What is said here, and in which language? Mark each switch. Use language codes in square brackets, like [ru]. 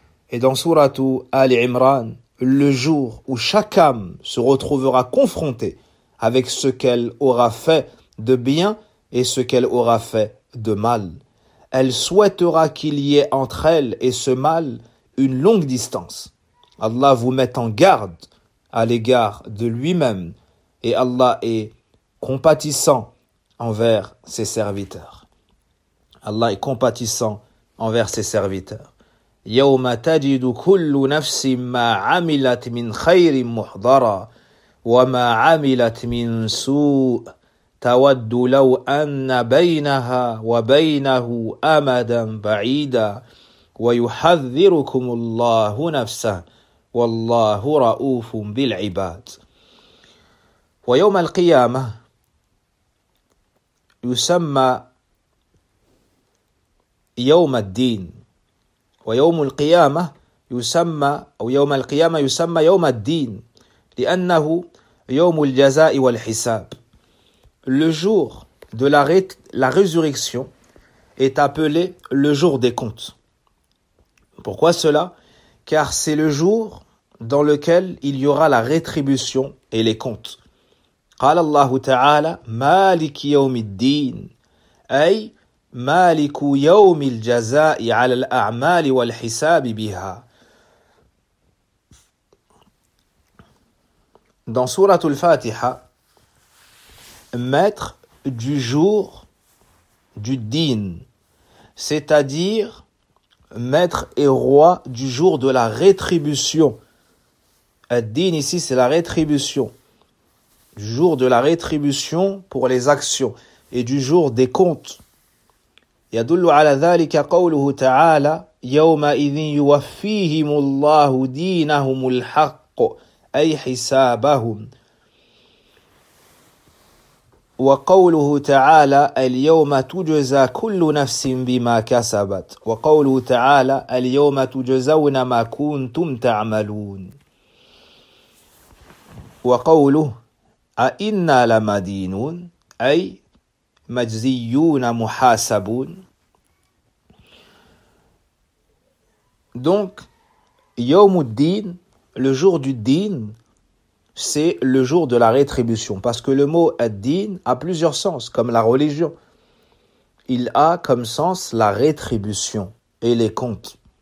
[fr] Et dans Sourate Ali Imran, le jour où chaque âme se retrouvera confrontée avec ce qu'elle aura fait de bien et ce qu'elle aura fait de mal, elle souhaitera qu'il y ait entre elle et ce mal une longue distance. Allah vous met en garde à l'égard de lui-même et Allah est compatissant envers ses serviteurs. Allah est compatissant envers ses serviteurs. [ar] يوم تجد كل نفس ما عملت من خير محضرا وما عملت من سوء تود لو أن بينها وبينه أمدا بعيدا ويحذركم الله نفسه والله رؤوف بالعباد. ويوم القيامة يسمى يوم الدين، ويوم القيامة يسمى أو يوم القيامة يسمى يوم الدين لأنه يوم الجزاء والحساب. [fr] Le jour de la résurrection est appelé le jour des comptes. Pourquoi cela ? Car c'est le jour dans lequel il y aura la rétribution et les comptes. [ar] قال الله تعالى مالك يوم الدين أي مالك يوم الجزاء على الأعمال والحساب بها. [fr] Dans sourate Al-Fatiha, maître du jour du din, c'est-à-dire maître et roi du jour de la rétribution. Ad-din ici, c'est la rétribution. Du jour de la rétribution pour les actions et du jour des comptes. [ar] Yadullu ala dhalika qawluhu ta'ala yawma idhin yuwaffihimullahu dinahumul haqq. أي حسابهم وقوله تعالى اليوم تجزى كل نفس بما كسبت وقوله تعالى اليوم تجزون ما كنتم تعملون وقوله أئنا لمدينون أي مجزيون محاسبون. [fr] Donc [ar] يوم الدين, [fr] le jour du din, c'est le jour de la rétribution. Parce que le mot ad-din a plusieurs sens, comme la religion. Il a comme sens la rétribution et les comptes.